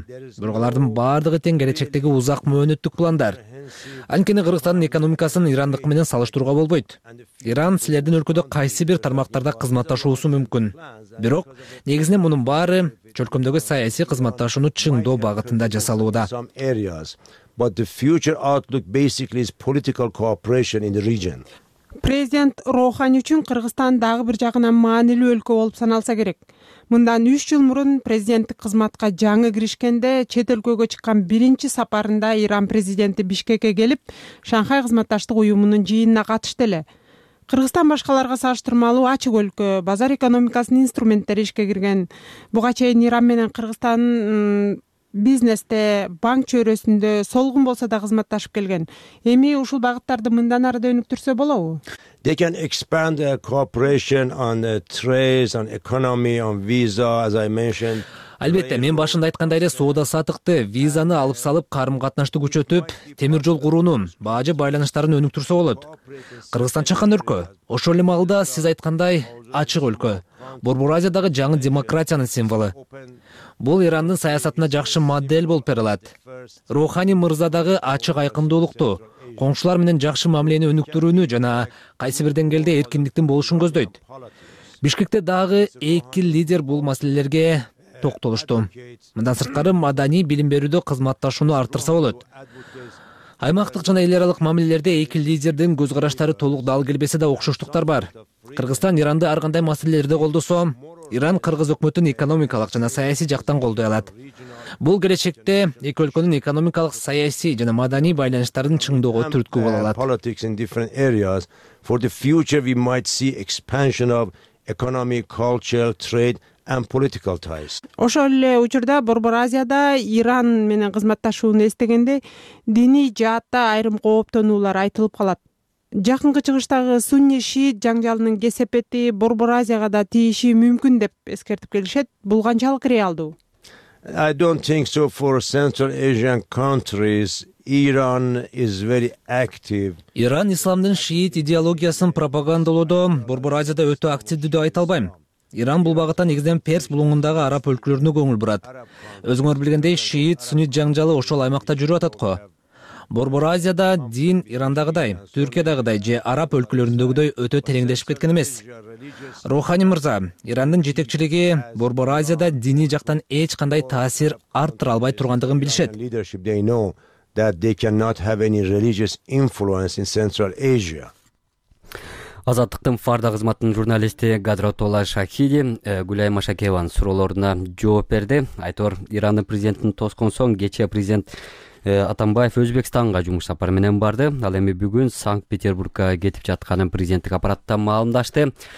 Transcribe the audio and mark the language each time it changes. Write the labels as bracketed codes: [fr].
[ky] Бирок алардын баардыгы тең келечектеги узак мөөнөттүк пландар. Анткени Кыргызстандын экономикасын Ирандыкы менен салыштырууга болбойт. Иран силердин өлкөдө кайсы бир тармактарда кызматташуусу мүмкүн. Бирок негизинен мунун баары чөлкөмдөгү саясий кызматташууну чыңдоо багытында жасалууда. [en] But the future outlook basically is political cooperation in the region. [ky] Президент Рохани үчүн Кыргызстан дагы бир жагынан маанилүү өлкө болуп саналса керек. Мындан 3 жыл мурун президенттик кызматка жаңы киришкенде чет өлкөгө чыккан биринчи сапарында Иран президенти Бишкекке келип, Шанхай кызматташтык уюмунун жыйынына катышты эле. Кыргызстан башкаларга салыштырмалуу ачык өлкө, базар экономикасынын инструменттери ишке кирген. Буга чейин Иран менен Кыргызстан бизнесте, банк чөйрөсүндө солгун болсо да кызматташып келген. Эми ушул багыттарды мындан ары да өнүктүрсө болобу? [en] They can expand their cooperation on trade, on economy, on visa, as I mentioned. [ky] Албетте, мен башында айткандай эле соода сатыкты, визаны алып салып, карым катнашты күчөтүп, темир жол курууну, баажы байланыштарын өнүктүрсө болот. Кыргызстан чакан өлкө. Ошол эле маалда сиз айткандай ачык өлкө. Борборазиядагы жаңы демократиянын символу. Бул Ирандын саясатына жакшы модель болуп бере алат. Рухани мырзадагы ачык айкындуулукту, коңшулар менен жакшы мамилени өнүктүрүүнү жана кайсы бир деңгээлде эркиндиктин болушун көздөйт. Бишкекте дагы эки лидер бул маселелерге токтолушту. Мындан сырткары маданий билим берүүдө кызматташууну арттырса болот. Аймактык жана эл аралык мамилелерде эки лидердин көз караштары толук дал келбесе да окшоштуктар бар. Кыргызстан Иранды ар кандай маселелерде колдосо, Иран кыргыз өкмөтүн экономикалык жана саясий жактан колдой алат. Бул келечекте эки өлкөнүн экономикалык, саясий жана маданий байланыштарын чыңдоого түрткү боло алат. [en] Politics in different areas. For the future we might see expansion of economy, culture, trade and political ties. [ky] Ошол эле учурда Борборазияда Иран менен кызматташууну эстегенде диний жаатта айрым кооптонуулар айтылып калат. Жакынкы чыгыштагы сунни шиит жаңжалынын кесепети Борборазияга да тийиши мүмкүн деп эскертип келишет. Бул канчалык реалдуу? [en] I don't think so. For Central Asian countries, Iran is very active. [ky] Иран исламдын шиит идеологиясын пропагандалоодо Борборазияда өтө активдүү деп айта албайм. Иран бул багытта негизинен Перс булуңундагы араб өлкөлөрүнө көңүл бурат. Өзүңөр билгендей, шиит сунит жаңжалы ошол аймакта жүрүп атат го. Борбор Азияда дин Ирандагыдай, Түркиядагыдай же араб өлкөлөрүндөгүдөй өтө тереңдешип кеткен эмес. Рухани мырза, Ирандын жетекчилиги Борбор Азияда дини жактан эч кандай таасир арттыра албай тургандыгын билишет. [en] That they cannot have any religious influence in Central Asia. [ky] Азаттыктын фарда кызматынын журналисти Гадратолла Шахиди Гүлайма Шакеванын суроолоруна жооп берди. Айтор, Ирандын президентин тоскон соң кечээ президент Атамбаев Өзбекстанга жумуш сапары менен барды. Ал эми бүгүн Санкт-Петербургга кетип жатканын президенттик аппараттан маалымдашты.